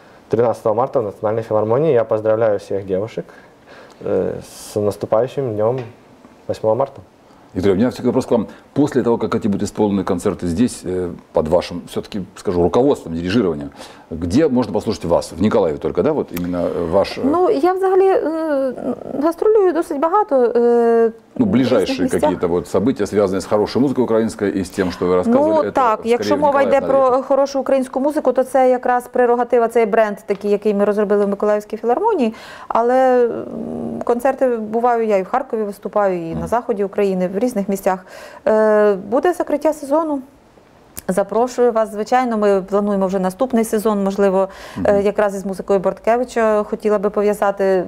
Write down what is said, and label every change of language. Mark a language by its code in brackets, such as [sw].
[ru] 13 марта в Национальной филармонии. Я поздравляю всех девушек с наступающим днем 8 марта. Игорь, у меня всегда вопрос к вам. После того, как эти будут исполнены концерты здесь, под вашим, все-таки, скажу, руководством, дирижированием, где можно послушать вас? В Николаеве только, да, вот именно ваш... [uk] Ну, я взагалі гастролюю досить багато. [ru] Ну, ближайшие какие-то вот события, связанные с хорошей музыкой украинской и с тем, что вы рассказывали. [uk] Ну, так, якщо мова йде про хорошу українську музику, то це якраз прерогатива, цей бренд такий, який ми розробили в Миколаївській філармонії. Але концерти буваю, я і в Харкові виступаю, і на заході України, в різних місцях. Буде закриття сезону. Запрошую вас, звичайно, ми плануємо вже наступний сезон, можливо, якраз із музикою Борткевича хотіла би пов'язати.